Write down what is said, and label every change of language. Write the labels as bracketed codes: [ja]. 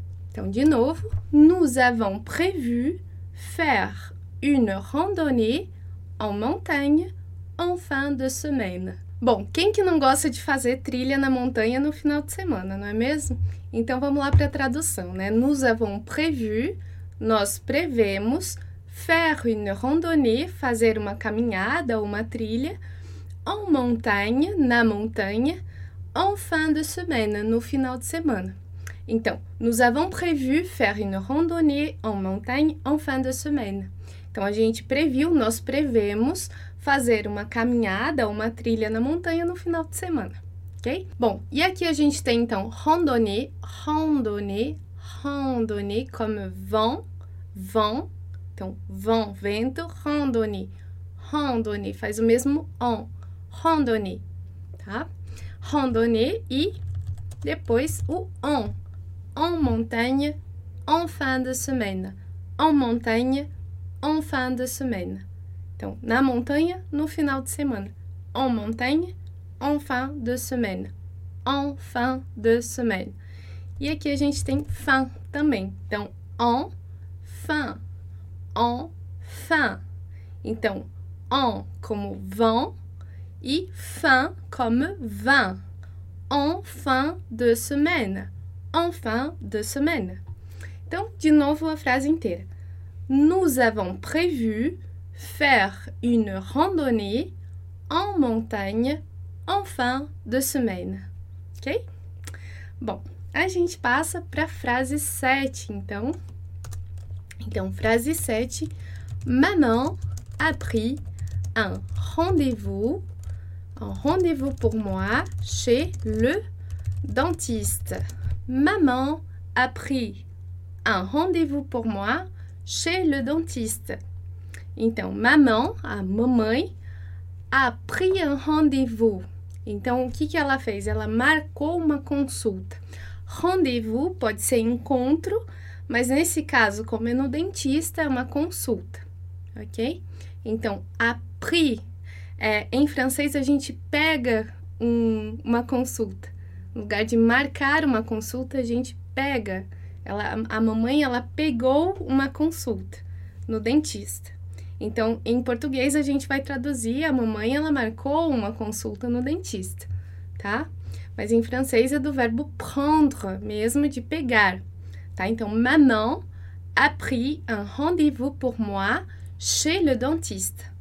[pt] Então, de novo, [fr] nous avons prévu faire une randonnée en montagne en fin de semaine. [pt] Bom, quem que não gosta de fazer trilha na montanha no final de semana, não é mesmo? Então vamos lá para a tradução, né? [fr] Nous avons prévu, [pt] nós prevemos, [fr] faire une randonnée, [pt] fazer uma caminhada ou uma trilha, [fr] en montagne, [pt] na montanha, [fr] en fin de semaine, [pt] no final de semana. [fr] Então, nous avons prévu faire une randonnée en montagne en fin de semaine. [pt] Então, a gente previu, nós prevemos fazer uma caminhada ou uma trilha na montanha no final de semana, ok? Bom, e aqui a gente tem então randonnée, randonnée, randonnée, como vent, vent. Então, vent, vento, randonnée, randonnée, faz o mesmo on, randonnée, tá? Randonnée e depois o on. [fr] En montagne, en fin de semaine. En montagne, en fin de semaine. [pt] Então, na montanha, no final de semana. [fr] En montagne, en fin de semaine. En fin de semaine. [pt] E aqui a gente tem fin também. [fr] Então, en fin. En fin. [pt] Então, en como vent e fin como vin. [fr] En fin de semaine. En fin de semaine. [pt] Então, de novo a frase inteira. [fr] Nous avons prévu faire une randonnée en montagne en fin de semaine. Ok? [pt] Bom, a gente passa para a frase 7, então. Então, frase 7. [fr] Manon a pris un rendez-vous pour moi chez le dentiste. Maman a pris un rendez-vous pour moi chez le dentiste. Então, maman, [pt] a mamãe, [fr] a pris un rendez-vous. [pt] Então, o que que ela fez? Ela marcou uma consulta. Rendez-vous pode ser encontro, mas nesse caso, como é no dentista, é uma consulta, ok? Então, a pris, em francês, a gente pega uma consulta. No lugar de marcar uma consulta, a gente pega. A mamãe, ela pegou uma consulta no dentista. Então, em português, a gente vai traduzir: a mamãe, ela marcou uma consulta no dentista, tá? Mas em francês é do verbo prendre, mesmo de pegar, tá? [fr] Então, Manon a pris un rendez-vous pour moi chez le dentiste.